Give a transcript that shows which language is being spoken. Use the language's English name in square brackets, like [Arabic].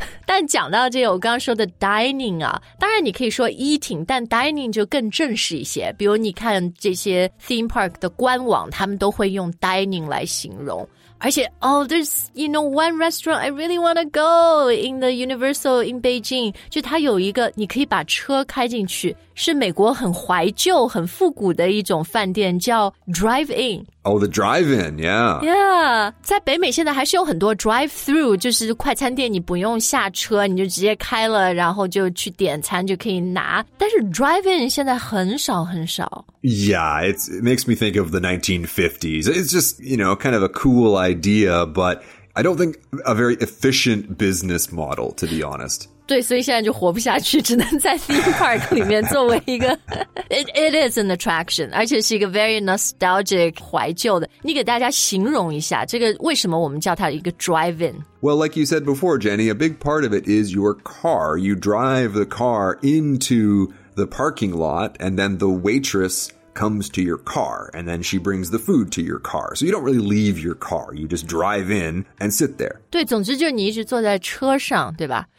[Chinese] 但讲到这个，我刚刚说的 dining 啊，当然你可以说 eating, 但 dining 就更正式一些。比如你看这些 theme park 的官网，他们都会用 dining 来形容。而且 [English] there's, you know, one restaurant I really want to go in the Universal in Beijing. [Chinese] 就它有一个你可以把车开进去，是美国很怀旧很复古的一种饭店，叫 Drive-In。 [English] Oh, the drive-in, yeah. [Chinese] Yeah, 在北美现在还是有很多 drive-through, 就是快餐店你不用下车，你就直接开了，然后就去点餐就可以拿。但是 drive-in 现在很少很少。 [English] Yeah, it makes me think of the 1950s. It's just, you know, kind of a cool idea, but I don't think a very efficient business model, to be honest. [Chinese] 对，所以现在就活不下去，只能在 theme park 里面作为一个 [English] it is an attraction, [Chinese] 而且是一个 [English] very nostalgic, [Chinese] 怀旧的。你给大家形容一下，这个为什么我们叫它一个 drive-in? [English] Well, like you said before, Jenny, a big part of it is your car. You drive the car into the parking lot, and then the waitress... comes to your car, and then she brings the food to your car. So you don't really leave your car. You just drive in and sit there. [Chinese] 对，总之就是你一直坐在车上，对吧？